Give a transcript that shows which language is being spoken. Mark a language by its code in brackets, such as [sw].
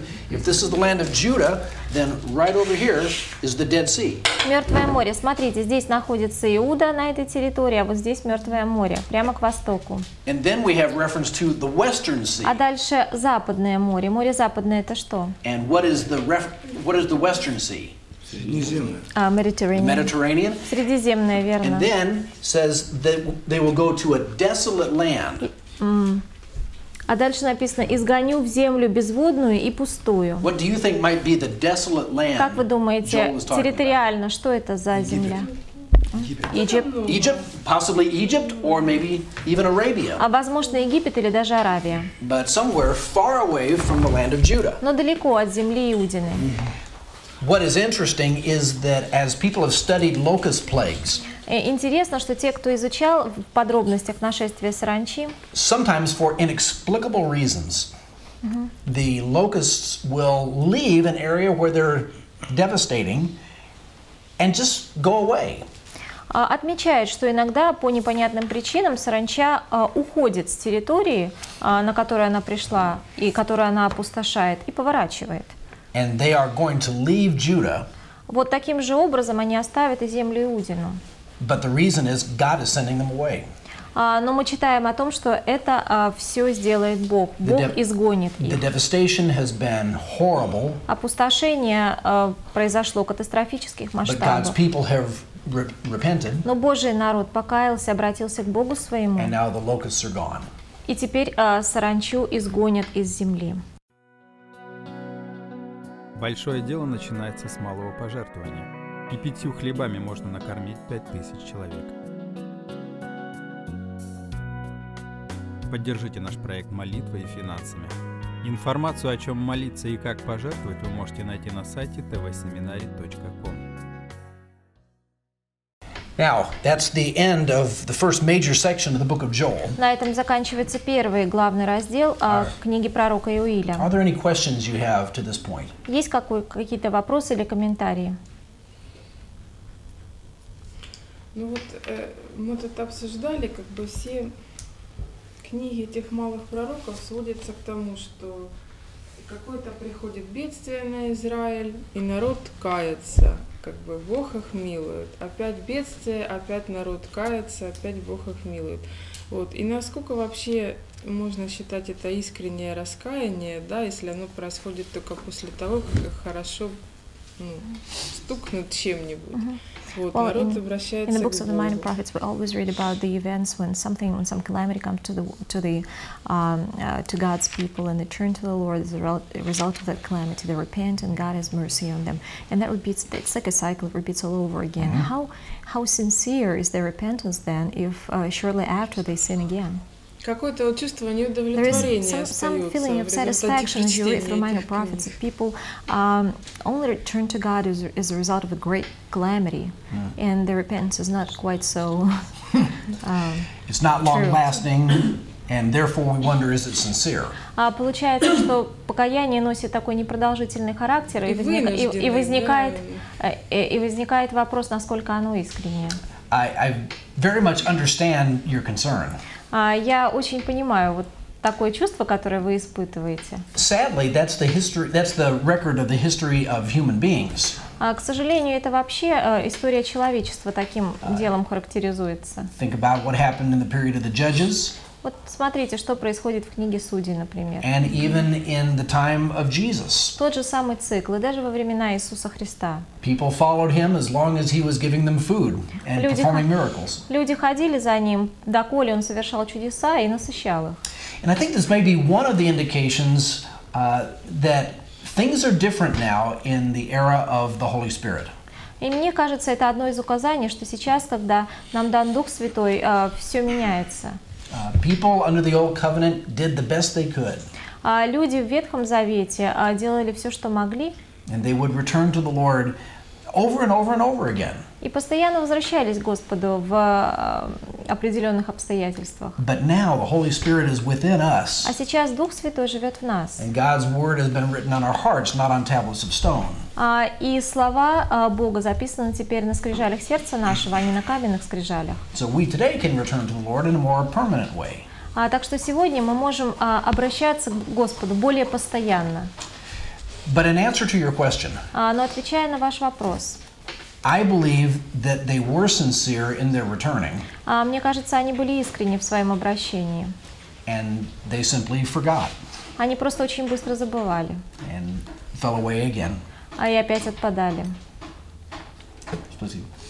[en] If this is the land of Judah, then right over here is the Dead Sea. [ru] Мертвое море. Смотрите, здесь находится Иуда на этой территории, а вот здесь Мертвое море, прямо к востоку. [en] And then we have reference to the Western Sea. [ru] А дальше Западное море. Море Западное — это что? [en] And what is the Western Sea? [ru] Средиземное. [en] Mediterranean. [ru] Средиземное, верно. [en] And then says that they will go to a desolate land. [ru] А дальше написано: изгоню в землю безводную и пустую. [en] What do you think might be the desolate land? [ru] Как вы думаете, территориально, что это за земля? [en] Egypt, possibly Egypt, or maybe even Arabia. [ru] А возможно, Египет или даже Аравия. [en] But somewhere far away from the land of Judah. [ru] Но далеко от земли Иудины. [en] What is interesting is that as people have studied locust plagues. [ru] Интересно, что те, кто изучал в подробностях нашествия саранчи, [en] sometimes for inexplicable reasons, the locusts will leave an area where they're devastating and just go away. [ru] Отмечают, что иногда по непонятным причинам саранча уходит с территории, на которую она пришла и которую она опустошает, и поворачивает. [en] And they are going to leave Judah. [ru] Вот таким же образом они оставят и землю Иудину. [en] But the reason is God is sending them away. [ru] Но мы читаем о том, что это все сделает Бог. Бог изгонит их. [en] The devastation has been horrible. [ru] Опустошение произошло катастрофических масштабов. [en] But God's people have repented. [ru] Но Божий народ покаялся, обратился к Богу своему. [en] And now the locusts are gone. [ru] И теперь саранчу изгонят из земли. Большое дело начинается с малого пожертвования. И 5 хлебами можно накормить 5000 человек. Поддержите наш проект молитвой и финансами. Информацию, о чем молиться и как пожертвовать, вы можете найти на сайте tvseminary.com. [en] Now, that's the end of the first major section of the book of Joel. [ru] На этом заканчивается первый главный раздел книги пророка Иоиля. [en] Are there any questions you have to this point? [ru] Есть какие-то вопросы или комментарии? Ну вот мы тут обсуждали, как бы все книги этих малых пророков сводятся к тому, что какое-то приходит бедствие на Израиль, и народ кается, как бы Бог их милует. Опять бедствие, опять народ кается, опять Бог их милует. Вот. И насколько вообще можно считать это искреннее раскаяние, да, если оно происходит только после того, как хорошо стукнут чем-нибудь. [en] Well, in the books of the minor prophets, we always read about the events when something, when some calamity comes to God's people, and they turn to the Lord. As a result of that calamity, they repent, and God has mercy on them. And that repeats. It's like a cycle. It repeats all over again. Mm-hmm. How sincere is their repentance then? If shortly after they sin again. [ru] Какое-то вот чувство неудовлетворения остается в результате чтения этих книг. [en] Prophets, people only turn to God as a result of a great calamity, and their repentance is not quite so. It's not long-lasting, and therefore we wonder, is it sincere? [ru] Получается, что покаяние носит такой непродолжительный характер, и возникает вопрос, насколько оно искреннее. [en] I very much understand your concern. [ru] Я очень понимаю вот такое чувство, которое вы испытываете. [en] Sadly, that's the record of the history of human beings. [ru] К сожалению, это вообще история человечества таким делом характеризуется. [en] Think about what happened in the period of the judges. [ru] Вот смотрите, что происходит в книге Судей, например. [en] And even in the time of Jesus. [ru] Тот же самый цикл, и даже во времена Иисуса Христа. [en] People followed him as long as he was giving them food and performing miracles. [ru] Люди ходили за ним, доколе он совершал чудеса и насыщал их. [en] And I think this may be one of the indications that things are different now in the era of the Holy Spirit. [ru] И мне кажется, это одно из указаний, что сейчас, когда нам дан Дух Святой, все меняется. [en] People under the old covenant did the best they could. [ru] Люди в Ветхом Завете делали все, что могли. [en] And they would return to the Lord over and over and over again. [ru] И постоянно возвращались к Господу в определенных обстоятельствах. [en] But now the Holy Spirit is within us. [ru] А сейчас Дух Святой живет в нас. [en] And God's word has been written on our hearts, not on tablets of stone. [ru] И слова Бога записаны теперь на скрижалях сердца нашего, а не на каменных скрижалях. [en] So we today can return to the Lord in a more permanent way. [ru] Так что сегодня мы можем обращаться к Господу более постоянно. [en] But in answer to your question, [ru] но отвечая на ваш вопрос, [en] I believe that they were sincere in their returning. [ru] Мне кажется, они были искренни в своем обращении. [en] And they simply forgot. [ru] Они просто очень быстро забывали. [en] And fell away again. [ru] И опять отпадали. Спасибо.